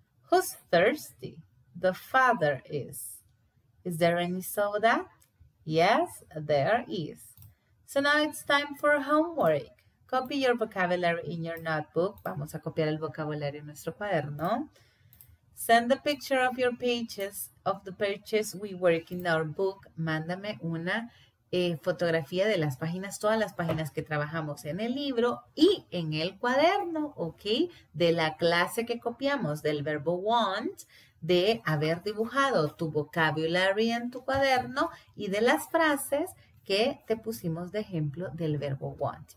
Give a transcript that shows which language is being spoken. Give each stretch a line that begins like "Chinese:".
English: Who's thirsty? The father is. Is there any soda? Yes, there is. So now it's time for homework. Copy your vocabulary in your notebook.
Spanish: Vamos a copiar el vocabulario en nuestro cuaderno.
English: Send the picture of your pages, of the pages we work in our book.
Spanish: Mándame una fotografía de las páginas, todas las páginas que trabajamos en el libro y en el cuaderno, ¿ok? De la clase que copiamos, del verbo want, de haber dibujado tu vocabulary en tu cuaderno y de las frases que te pusimos de ejemplo del verbo want.